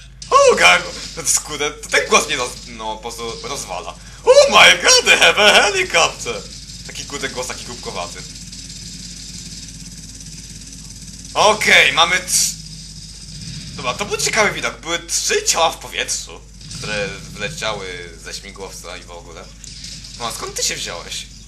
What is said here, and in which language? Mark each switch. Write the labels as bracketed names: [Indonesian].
[Polish] Oh god, ten skuter, to ten głos mnie no, po prostu rozwala. [English] Oh my god, they have a helicopter! [Polish] Taki kurde głos, taki głupkowaty. Okej, mamy Dobra, to był ciekawy widok. Były trzy ciała w powietrzu, które wleciały ze śmigłowca i w ogóle. No a skąd ty się wziąłeś?